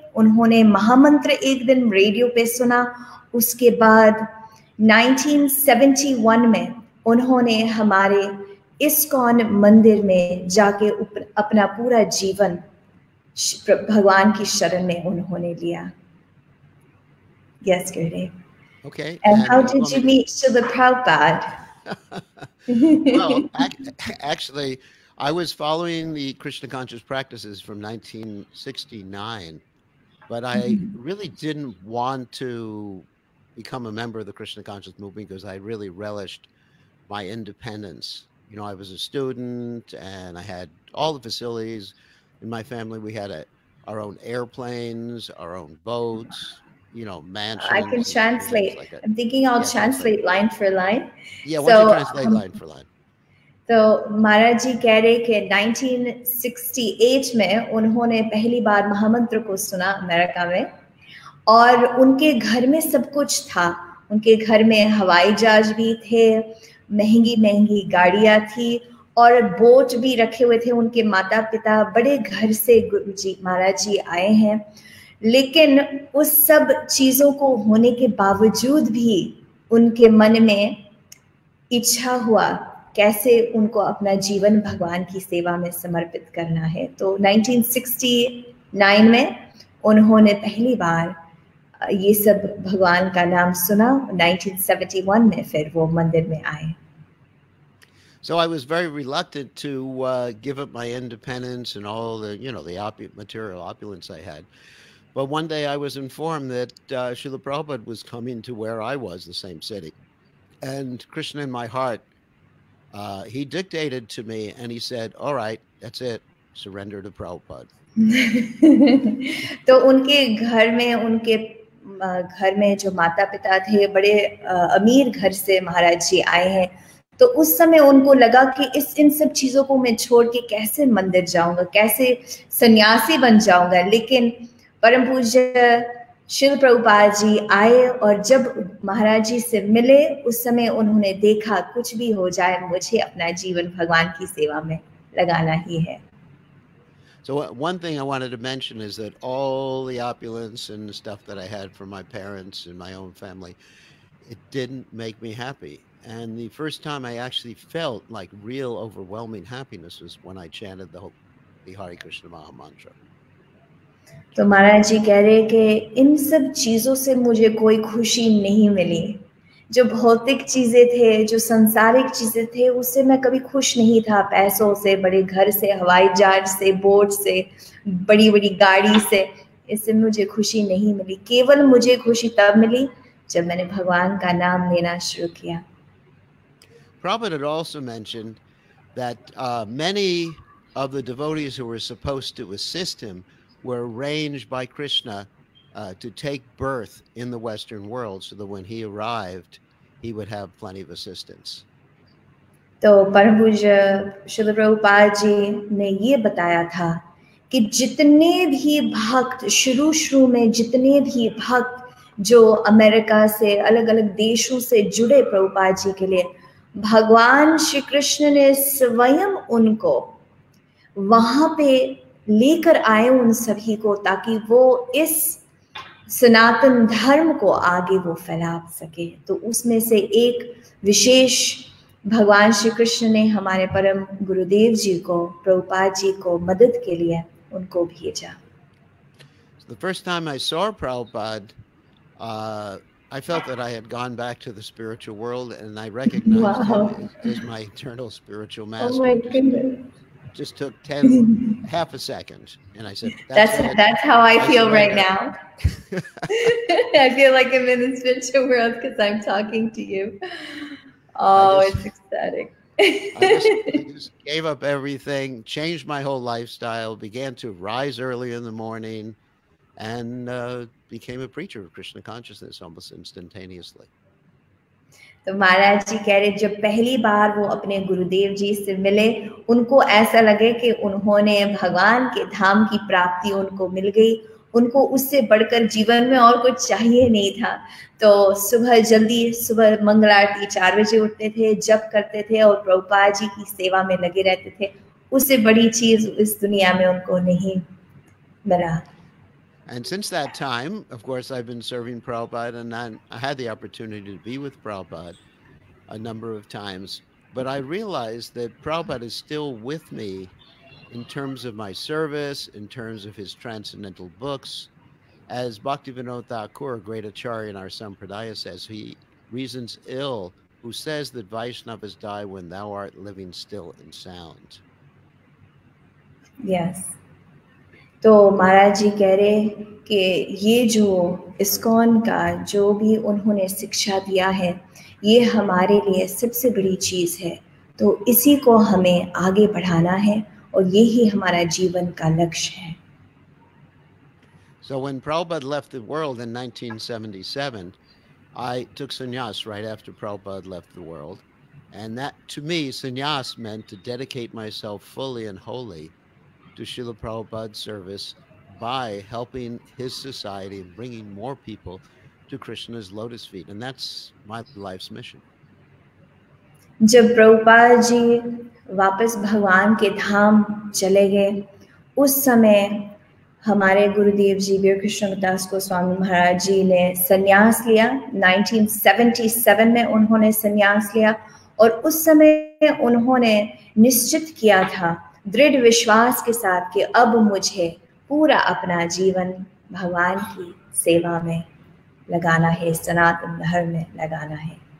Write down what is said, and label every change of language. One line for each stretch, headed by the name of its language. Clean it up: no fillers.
Hindi: उन्होंने महामंत्र एक दिन रेडियो पे सुना. उसके बाद 1971 में उन्होंने हमारे इस्कॉन मंदिर में जाके अपना पूरा जीवन भगवान की शरण में उन्होंने लिया.
English: Yes Gurudev. Okay. And how did you meet Srila Prabhupada? Well, actually, I was following the Krishna conscious practices from 1969, but I really didn't want to become a member of the Krishna conscious movement because I really relished my independence. You know, I was a student and I had all the facilities in my family. We had our own airplanes, our own boats. You know, mansion. I can translate. I'm thinking I'll translate line for line. Yeah, why don't you translate line for line?
Hindi: So, Maharaji कह रहे कि 1968 में उन्होंने पहली बार महामंत्र को सुना America में, और उनके घर में सब कुछ था. उनके घर में हवाई जहाज भी थे, महंगी महंगी गाड़ियाँ थी, और बोट भी रखे हुए थे. उनके माता पिता बड़े घर से गुरुजी महाराजी आए हैं. लेकिन उस सब चीजों को होने के बावजूद भी उनके मन में इच्छा हुआ कैसे उनको अपना जीवन भगवान की सेवा में समर्पित करना है. तो 1969 में उन्होंने पहली बार ये सब भगवान का नाम सुना. 1971 में फिर वो मंदिर में आए.
English: So I was very reluctant to give up my independence and all the, you know, the material opulence I had. But one day I was informed that Srila Prabhupada was coming to where I was, the same city. And Krishna in my heart, he dictated to me and he said, all right, that's it. Surrender to Prabhupada.
Hindi: तो उनके घर में, उनके घर में जो माता पिता थे, बड़े अमीर घर से महाराज जी आए हैं. तो उस समय उनको लगा कि इस इन सब चीजों को मैं छोड़ के कैसे मंदिर जाऊंगा, कैसे सन्यासी बन जाऊंगा. लेकिन परम पूज्य श्रील प्रभुपाद जी आए, और जब महाराज जी से मिले उस समय उन्होंने देखा कुछ भी हो जाए मुझे अपना जीवन भगवान की सेवा में लगाना ही है.
English: So one thing I wanted to mention is that all the opulence and stuff that I had from my parents and my own family, it didn't make me happy. And the first time I actually felt like real overwhelming happiness was when I chanted the Hare Krishna Maha Mantra.
Hindi: तो महाराज जी कह रहे कि इन सब चीजों से मुझे कोई खुशी नहीं मिली, जो भौतिक चीजें थे जो सांसारिक चीजें थे उससे मैं कभी खुश नहीं था, पैसों से, बड़े घर से, हवाई जहाज से, बोट से, बड़ी बड़ी गाड़ी से, इससे मुझे खुशी नहीं मिली। केवल मुझे खुशी तब मिली जब मैंने भगवान का नाम लेना शुरू किया।
English: Prabhupada had also mentioned that many of the devotees who were supposed to assist him were arranged by Krishna to take birth in the Western world, so that when he arrived, he would have plenty of assistance.
Hindi: तो परमपूज्य श्री प्रभुपाद जी ने ये बताया था कि जितने भी भक्त शुरू शुरू में जितने भी भक्त जो अमेरिका से अलग अलग देशों से जुड़े प्रभुपाद जी के लिए, भगवान श्री कृष्ण ने स्वयं उनको वहां पे लेकर आए उन सभी को, ताकि वो इस सनातन धर्म को आगे वो फैला सके। तो उसमें से एक विशेष भगवान श्री कृष्ण ने हमारे परम गुरुदेव जी को, प्रभुपाद जी को मदद के लिए उनको भेजा।
English: The first time I saw Prabhupada, I felt that I had gone back to the spiritual world, and I recognized wow. him as my eternal spiritual master. Oh my goodness. Just took 10, half a second, and I said, That's how I feel right now. I feel like I'm in the spiritual world because I'm talking to you. Oh, it's ecstatic. I just gave up everything, changed my whole lifestyle, began to rise early in the morning, and became a preacher of Krishna consciousness almost instantaneously.
Hindi: तो महाराज जी कह रहे जब पहली बार वो अपने गुरुदेव जी से मिले, उनको ऐसा लगे कि उन्होंने भगवान के धाम की प्राप्ति उनको मिल गई, उनको उससे बढ़कर जीवन में और कुछ चाहिए नहीं था। तो सुबह जल्दी, सुबह मंगल आरती 4 बजे उठते थे, जप करते थे और प्रभुपाद जी की सेवा में लगे रहते थे, उससे बड़ी चीज इस दुनिया में उनको नहीं मिला।
English: And since that time, of course, I've been serving Prabhupada, and I had the opportunity to be with Prabhupada a number of times. But I realized that Prabhupada is still with me in terms of my service, in terms of his transcendental books. As Bhaktivinoda Thakur, a great acharya in our Sampradaya, says, he reasons ill who says that Vaishnavas die when thou art living still in sound. Yes.
Hindi: तो महाराज जी कह रहे कि ये जो ISKCON का जो भी उन्होंने शिक्षा दिया है, ये हमारे लिए सबसे बड़ी चीज है, तो इसी को हमें आगे बढ़ाना है और यही हमारा जीवन का लक्ष्य है।
English: So when Prabhupada left the world in 1977, I took sannyas right after Prabhupada left the world, and that to me sannyas meant to dedicate myself fully and wholly to Srila Prabhupada's service by helping his society and bringing more people to Krishna's lotus feet. And that's my life's mission.
Hindi: जब प्रभुपाद जी वापस भगवान के धाम चले गए, उस समय हमारे गुरुदेव जी वीर कृष्णदास गोस्वामी महाराज जी ने संन्यास लिया। 1977 में उन्होंने संन्यास लिया, और उस समय उन्होंने निश्चित किया था दृढ़ विश्वास के साथ कि अब मुझे पूरा अपना जीवन भगवान की सेवा में लगाना है, सनातन धर्म में लगाना है।